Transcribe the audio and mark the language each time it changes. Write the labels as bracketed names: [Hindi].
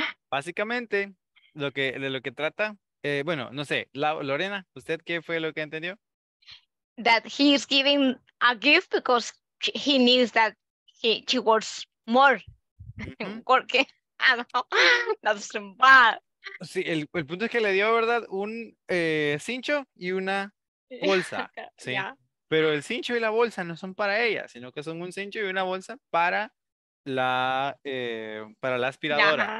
[Spanish] Básicamente, lo que trata, bueno, no sé, Lorena, ¿usted qué fue lo que entendió? [English] That he is giving a gift because he needs that she works more. [Spanish] Porque, [English] that's bad. [Spanish] Sí, el punto es que le dio, ¿verdad? Un cincho y una bolsa, ¿sí? Yeah. Pero el cincho y la bolsa no son para ella, sino que son un cincho y una bolsa para la aspiradora.